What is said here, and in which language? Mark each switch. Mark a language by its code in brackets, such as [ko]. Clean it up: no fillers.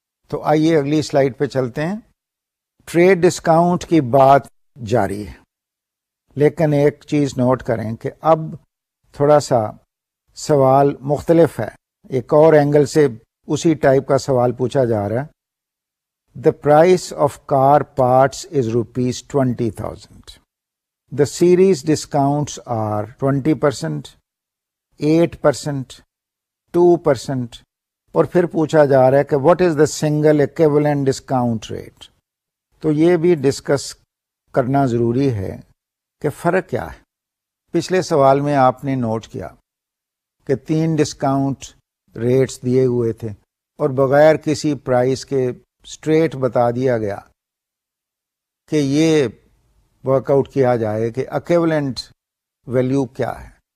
[ur] تو آئیے اگلی سلائیڈ پہ چلتے ہیں. ٹریڈ ڈسکاؤنٹ کی بات جاری ہے، لیکن ایک چیز نوٹ کریں کہ اب تھوڑا سا سوال مختلف ہے، ایک اور اینگل سے اسی ٹائپ کا سوال پوچھا جا رہا ہے. [en] The price of car parts is ₹20,000. The series discounts are 20%, 8%, 2%. [ur] اور پھر پوچھا جا رہا ہے کہ [en] what is the single equivalent discount rate. [ur] تو یہ بھی ڈسکس کرنا ضروری ہے کہ فرق کیا ہے. پچھلے سوال میں آپ نے نوٹ کیا کہ 3 ڈسکاؤنٹ ریٹس دیے ہوئے تھے اور بغیر کسی پرائس کے سٹریٹ بتا دیا گیا کہ یہ ورک آؤٹ کیا جائے کہ اکیولنٹ ویلیو کیا ہے.